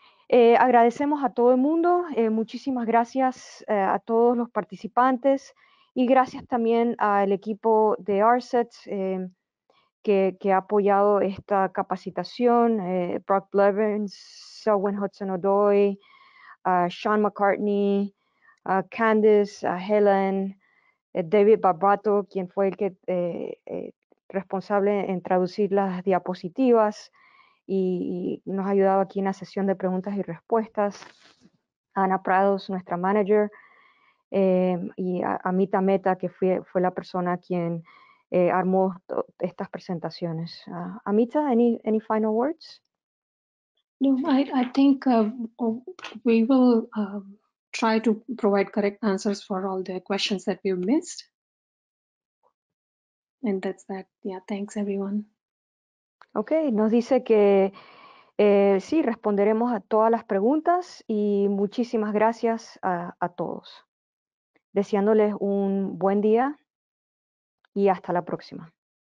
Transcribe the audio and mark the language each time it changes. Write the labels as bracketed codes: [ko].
[es] Agradecemos a todo el mundo, muchísimas gracias a todos los participantes y gracias también al equipo de ARCET que ha apoyado esta capacitación, Brock Blevins, Selwyn Hudson-Odoi, Sean McCartney, Candice, Helen, David Barbato, quien fue el que responsable en traducir las diapositivas, y nos ha ayudado aquí en la sesión de preguntas y respuestas. Ana Prados, nuestra manager, y Amita Mehta, que fue la persona quien armó estas presentaciones. [en] Amita, any final words? No, I think we will try to provide correct answers for all the questions that we've missed. And that's that. Yeah, thanks everyone. [es] Okay, nos dice que sí, responderemos a todas las preguntas y muchísimas gracias a todos. Deseándoles un buen día y hasta la próxima.